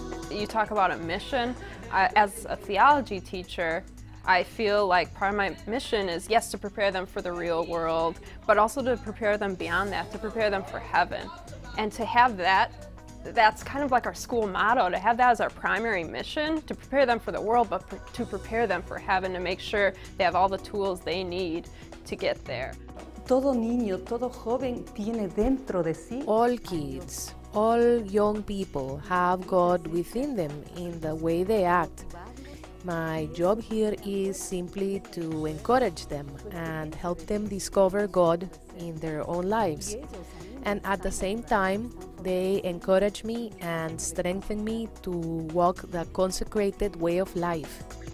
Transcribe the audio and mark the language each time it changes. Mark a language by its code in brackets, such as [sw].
[en] You talk about a mission. As a theology teacher, I feel like part of my mission is, yes, to prepare them for the real world, but also to prepare them beyond that, to prepare them for heaven. And to have that, that's kind of like our school motto, to have that as our primary mission, to prepare them for the world, but to prepare them for heaven, to make sure they have all the tools they need to get there. [es] Todo niño, todo joven tiene dentro de sí. [en] All kids, all young people have God within them in the way they act. My job here is simply to encourage them and help them discover God in their own lives. And at the same time, they encourage me and strengthen me to walk the consecrated way of life.